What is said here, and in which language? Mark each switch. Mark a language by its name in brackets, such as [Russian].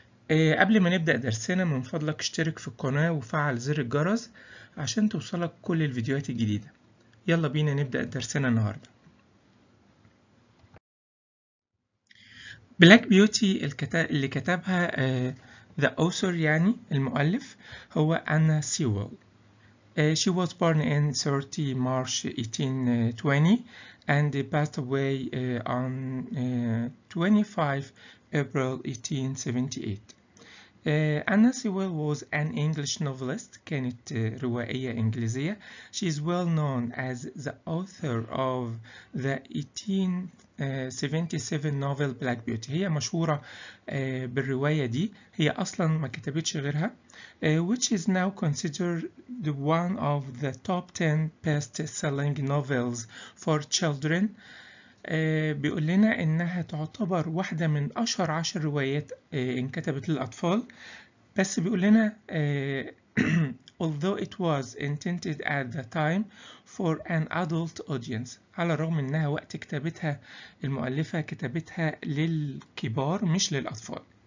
[Arabic] قبل ما نبدأ درسنا من فضلك اشترك في القناة وفعل زر الجرس عشان توصلك كل الفيديوهات الجديدة. يلا بينا نبدأ درسنا النهاردة. بلاك بيوتي اللي كتبها [English] the author [Arabic] يعني المؤلف هو أنا سيول. [English] She was born in 30 March 1820 and passed away on 25 April 1878. Anna Sewell was an English novelist, [Arabic] كانت روائية إنجليزية. [English] She is well known as the author of the 1877 novel Black Beauty. [Arabic] هي مشهورة بالرواية دي، هي أصلا ما كتبتش غيرها. [English] Which is now considered one of the top 10 best-selling novels for children. [Arabic] بيقول لنا إنها تعتبر واحدة من أشهر 10 روايات انكتبت للأطفال، بس بيقول لنا [English] although it was intended at the time for an adult audience. [Arabic] على الرغم إنها وقت كتابتها المؤلفة كتابتها للكبار مش للأطفال.